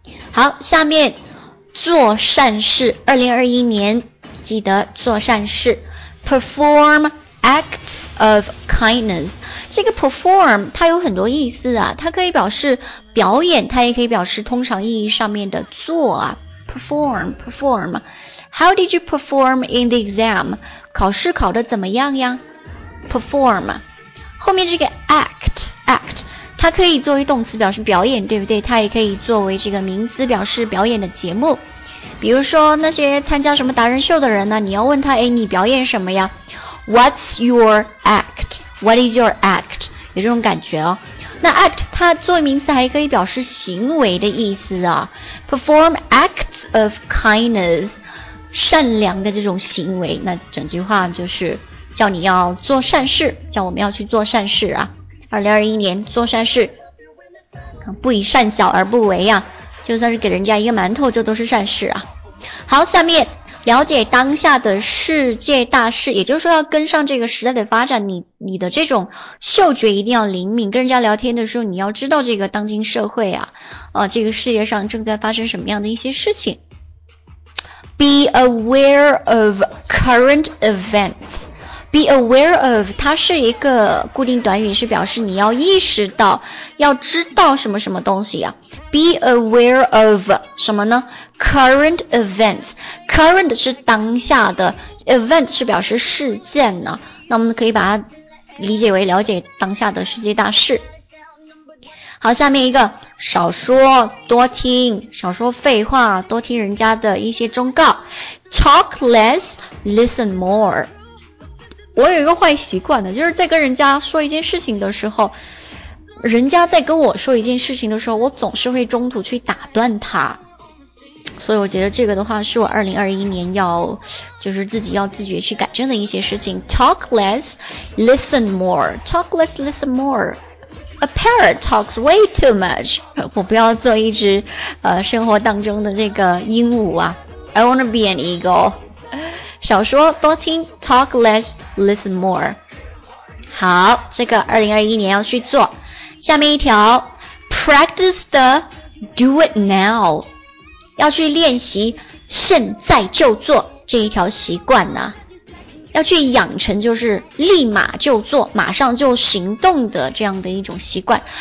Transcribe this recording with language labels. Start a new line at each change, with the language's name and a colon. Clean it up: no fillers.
Chinese: 好，下面做善事，2021年记得做善事。
English: Perform acts of kindness，
Chinese: 这个 perform 它有很多意思啊，它可以表示表演，它也可以表示通常意义上面的做啊。
English: Perform, perform. How did you perform in the exam?
Chinese: 考试考得怎么样呀？Perform. 后面这个 act, act, 它可以作为动词表示表演，对不对？它也可以作为这个名词表示表演的节目。比如说那些参加什么达人秀的人呢，你要问他，哎，你表演什么呀？
English: What's your act? What is your act?
Chinese: 有这种感觉哦。那 act 它作为名词还可以表示行为的意思啊。
English: Perform acts of kindness，
Chinese: 善良的这种行为，那整句话就是叫你要做善事，叫我们要去做善事啊。 2021年做善事，不以善小而不为啊，就算是给人家一个馒头就都是善事啊。好，下面了解当下的世界大事，也就是说要跟上这个时代的发展，你的这种嗅觉一定要灵敏，跟人家聊天的时候你要知道这个当今社会啊，这个世界上正在发生什么样的一些事情。
English: Be aware of current events.
Chinese: Be aware of 它是一个固定短语，是表示你要意识到要知道什么什么东西啊。 Be aware of 什么呢？ Current events， Current 是当下的， Event 是表示事件呢、那我们可以把它理解为了解当下的世界大事。好，下面一个，少说多听，少说废话，多听人家的一些忠告。
English: Talk less, listen more。
Chinese: 我有一个坏习惯的，就是在跟人家说一件事情的时候，人家在跟我说一件事情的时候，我总是会中途去打断他，所以我觉得这个的话是我2021年要就是自己要自觉去改正的一些事情。
English: Talk less, listen more. Talk less, listen more. A parrot talks way too much.
Chinese: 我不要做一只生活当中的这个鹦鹉啊。
English: I wanna be an eagle.
Chinese: 少说多听，
English: Talk less, listen more.
Chinese: 好，这个2021年要去做。下面一条，
English: Practice the do it now，
Chinese: 要去练习现在就做这一条习惯呢，要去养成就是立马就做，马上就行动的这样的一种习惯。